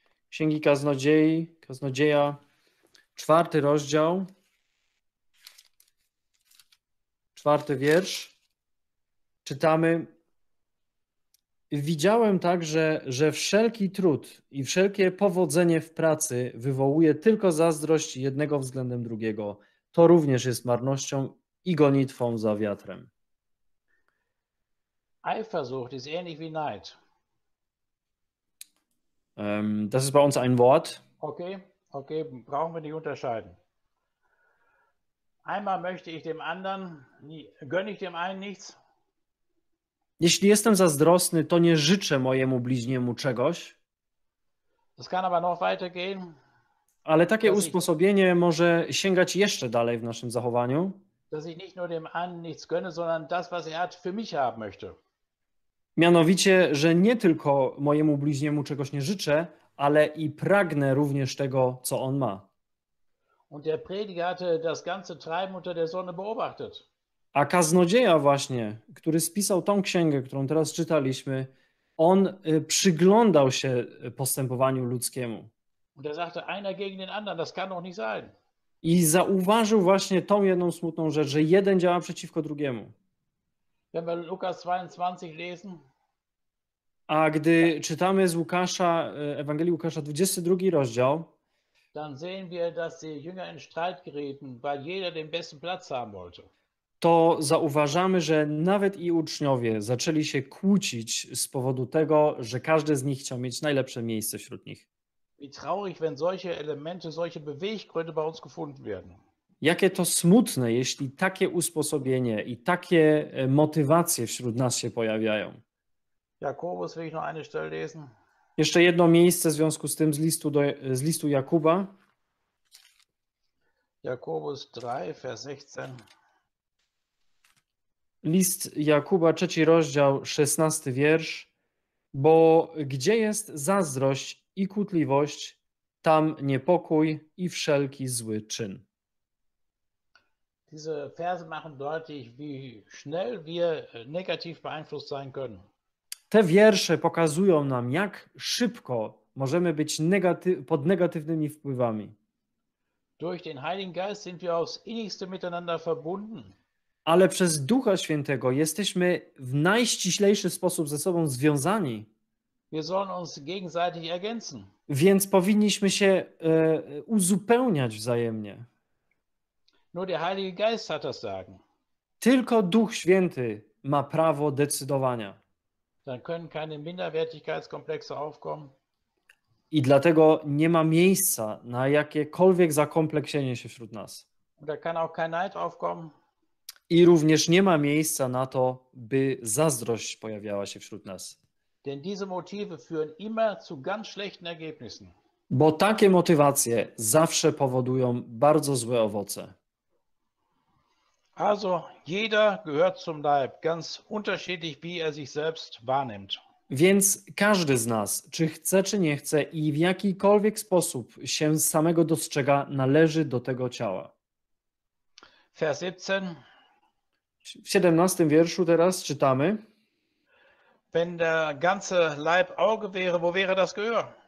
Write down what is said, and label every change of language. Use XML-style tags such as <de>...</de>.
<pl>Księgi Kaznodziei, Kaznodzieja, 4 rozdział, 4 wiersz. Czytamy, widziałem także, że wszelki trud i wszelkie powodzenie w pracy wywołuje tylko zazdrość jednego względem drugiego. To również jest marnością i gonitwą za wiatrem.</pl> <de>Eifersucht ist ähnlich wie Neid. Das ist bei uns ein Wort. Okay, brauchen wir nicht unterscheiden. Einmal möchte ich dem anderen, gönne ich dem einen nichts.</de> <pl>Jeśli jestem zazdrosny, to nie życzę mojemu bliźniemu czegoś.</pl> <de>Das kann aber noch weitergehen.</de> <pl>Ale takie usposobienie może sięgać jeszcze dalej w naszym zachowaniu.</pl> <de>Dass ich nicht nur dem anderen nichts gönne, sondern das, was er hat, für mich haben möchte.</de> <pl>Mianowicie, że nie tylko mojemu bliźniemu czegoś nie życzę, ale i pragnę również tego, co on ma.</pl> <de>Und der Prediger hatte das ganze Treiben unter der Sonne beobachtet.</de> <pl>A kaznodzieja właśnie, który spisał tą księgę, którą teraz czytaliśmy, on przyglądał się postępowaniu ludzkiemu.</pl> <de>Und er sagte, einer gegen den anderen, das kann doch nicht sein.</de> <pl>I zauważył właśnie tą jedną smutną rzecz, że jeden działa przeciwko drugiemu.</pl> <de>Wenn wir Lukas 22 lesen,</de> <pl>a gdy czytamy z Łukasza, Ewangelii Łukasza 22 rozdział,</pl> <de>dann sehen wir, dass die Jünger in Streit gerieten, weil jeder den besten Platz haben wollte.</de> <pl>To zauważamy, że nawet i uczniowie zaczęli się kłócić z powodu tego, że każdy z nich chciał mieć najlepsze miejsce wśród nich.</pl> <de>Wie traurig, wenn solche Elemente, solche Beweggründe bei uns gefunden werden.</de> <pl>Jakie to smutne, jeśli takie usposobienie i takie motywacje wśród nas się pojawiają.</pl> <de>Jakobus, will ich noch eine Stelle lesen?</de> <pl>Jeszcze jedno miejsce w związku z tym z listu Jakuba.</pl> <de>Jakobus 3, vers 16.</de> <pl>List Jakuba, 3 rozdział, 16 wiersz. Bo gdzie jest zazdrość i kłótliwość, tam niepokój i wszelki zły czyn.</pl> <de>Diese Verse machen deutlich, wie schnell wir negativ beeinflusst sein können.</de> <pl>Te wiersze pokazują nam, jak szybko możemy być pod negatywnymi wpływami.</pl> <de>Durch den Heiligen Geist sind wir aufs innigste miteinander verbunden.</de> <pl>Ale przez Ducha Świętego jesteśmy w najściślejszy sposób ze sobą związani.</pl> <de>Wir sollen uns gegenseitig ergänzen.</de> <pl>Więc powinniśmy się uzupełniać wzajemnie.</pl> <de>Nur der Heilige Geist hat das sagen.</de> <pl>Tylko Duch Święty ma prawo decydowania.</pl> <de>Dann können keine Minderwertigkeitskomplexe aufkommen.</de> <pl>I dlatego nie ma miejsca na jakiekolwiek zakompleksienie się wśród nas.</pl> <de>Und da kann auch kein Neid aufkommen.</de> <pl>I również nie ma miejsca na to, by zazdrość pojawiała się wśród nas.</pl> <de>Denn diese Motive führen immer zu ganz schlechten Ergebnissen.</de> <pl>Bo takie motywacje zawsze powodują bardzo złe owoce.</pl> <de>Also jeder gehört zum Leib, ganz unterschiedlich, wie er sich selbst wahrnimmt.</de> <pl>Więc każdy z nas, czy chce, czy nie chce i w jakikolwiek sposób się samego dostrzega, należy do tego ciała.</pl> <de>Vers 17.</de> <pl>W 17 wierszu teraz czytamy.</pl> <de>Wenn der ganze Leib Auge wäre, wo wäre das Gehör?</de>